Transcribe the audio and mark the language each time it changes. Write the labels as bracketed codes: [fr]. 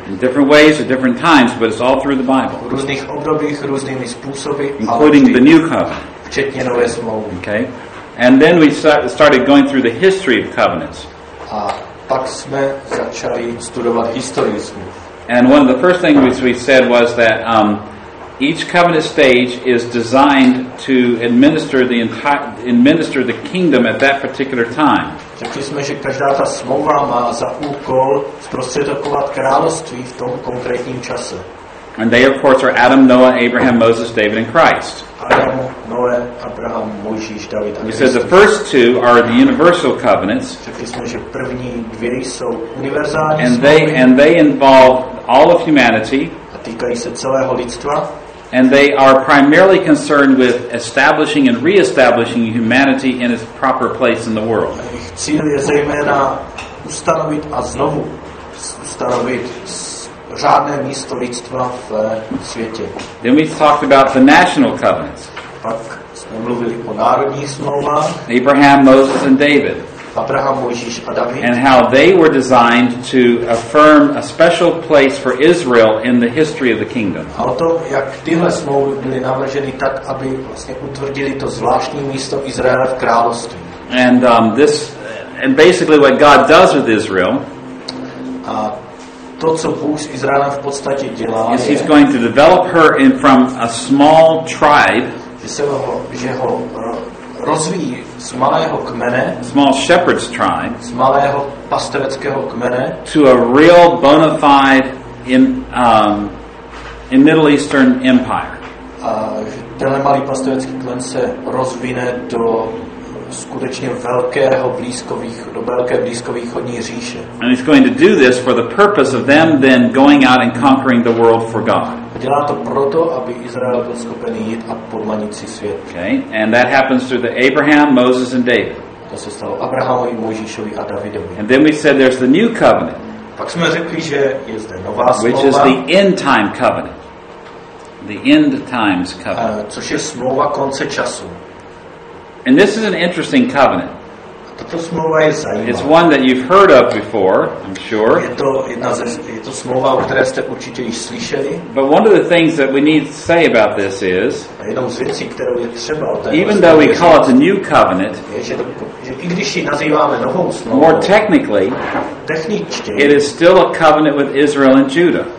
[en] In different ways, at different times, but it's all through the Bible. [cs] V různých obdobích, různými způsoby. [en] Including the new covenant. [cs] Včetně nové smlouvy. [en] Okay. And then we started going through the history of covenants. [cs] A pak jsme začali studovat historii smluv. [en] And one of the first things which we said was that each covenant stage is designed to administer the kingdom at that particular time. [cs] Řekli jsme, že každá ta smlouva má za úkol zprostředkovat království v tom konkrétním čase. [en] And they, of course, are Adam, Noah, Abraham, Moses, David, and Christ. [cs] Adam, Noé, Abraham, Mojžíš, David a Kristus. [en] He says the first two are the universal covenants. [cs] Řekli jsme, že první dvě jsou univerzální [en] smlouvy. And they involve all of humanity. [cs] Týkají se celého lidstva. [en] And they are primarily concerned with establishing and re-establishing humanity in its proper place in the world. [cs] Jejich cíl je zejména ustanovit a znovu ustanovit řádné místo lidstva v světě. [en] Then we talked about the national covenants. [cs] Pak jsme mluvili o národních smlouvách. [en] Abraham, Moses and David. [cs] Abraham, Mojžíš a David. [en] And how they were designed to affirm a special place for Israel in the history of the kingdom. [cs] A o tom, jak tyhle smlouvy byly navrženy tak, aby vlastně utvrdili to zvláštní místo Izraela v království. [en] And this, and basically what God does with Israel, [cs] a to, co Bůh s Izraelem v podstatě dělá, [en] is he's going to develop her in from a small tribe, [cs] že ho rozvíjí z malého kmene, [en] small shepherd's tribe, [cs] z malého pastereckého kmene, [en] to a real bona fide in Middle Eastern empire. [cs] Tenhle malý pastorecký kmen se rozvine do skutečně velkého blízkovýchodní říše. [en] And he's going to do this for the purpose of them then going out and conquering the world for God. [cs] Dělá to proto, aby Izrael byl schopen jít a podmanit si svět. [en] Okay. And that happens through the Abraham, Moses and David. [cs] To se stalo Abrahamovi, Mojžíšovi a Davidovi. [en] And then we said there's the new covenant. [cs] Pak jsme řekli, že je zde nová smlouva. [en] Which is the end time covenant. The end times covenant. [cs] Což je smlouva konce času. [en] And this is an interesting covenant. [cs] Tato smlouva je zajímavá. [en] It's one that you've heard of before, I'm sure. [cs] Je to smlouva, o které jste určitě již slyšeli. [en] But one of the things that we need to say about this is, [cs] a jednou z věcí, kterou je třeba o té [en] even though we call it a new covenant, [cs] je, že i když ji nazýváme novou smlouvou, [en] more technically, [cs] techničtěji, [en] it is still a covenant with Israel and Judah.